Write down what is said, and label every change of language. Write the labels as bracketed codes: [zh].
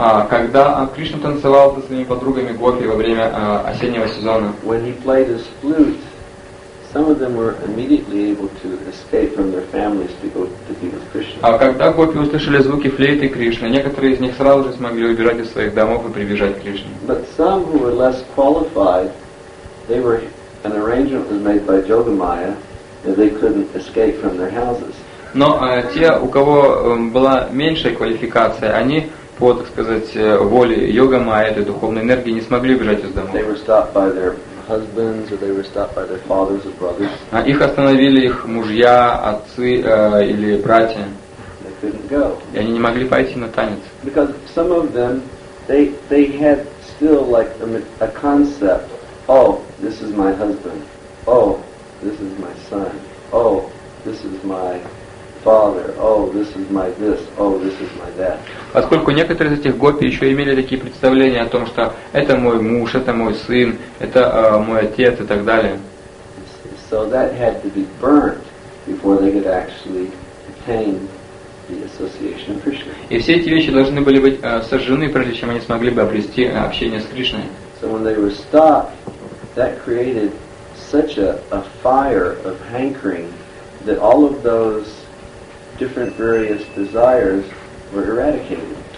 [ru] Когда Кришна танцевал со своими подругами гопи во время осеннего сезона. [en] When he played his flute, some of them were immediately able to escape from their families to go to be with Krishna. [ru] А когда гопи услышали звуки флейты Кришны, некоторые из них сразу же смогли убежать из своих домов и прибежать к Кришне. [en] But some who were less qualified, they were an arrangement was made by Jogamaya that they couldn't escape from their houses. [ru] Но те, у кого была меньшая квалификация, они по, так сказать, воле Йогамайи, этой духовной энергии, не смогли убежать из домов. [en] They were stopped by their husbands, or they were stopped by their fathers or brothers. [ru] Их остановили их мужья, отцы или братья. [en] They couldn't go. [ru] И они не могли пойти на танец. [en] Because some of them, they had still like a concept. Oh, this is my husband. Oh, this is my son. Oh, this is my father. Oh, this is my this. Oh, this is my that. [ru] Поскольку некоторые из этих гопи еще имели такие представления о том, что это мой муж, это мой сын, это мой отец и так далее. [en] So that had to be burnt before they could actually attain the association of Krishna. [ru] И все эти вещи должны были быть сожжены, прежде чем они смогли бы обрести общение с Кришной. [en] So when they were stopped, that created such a fire of hankering that all of those different various desires were eradicated.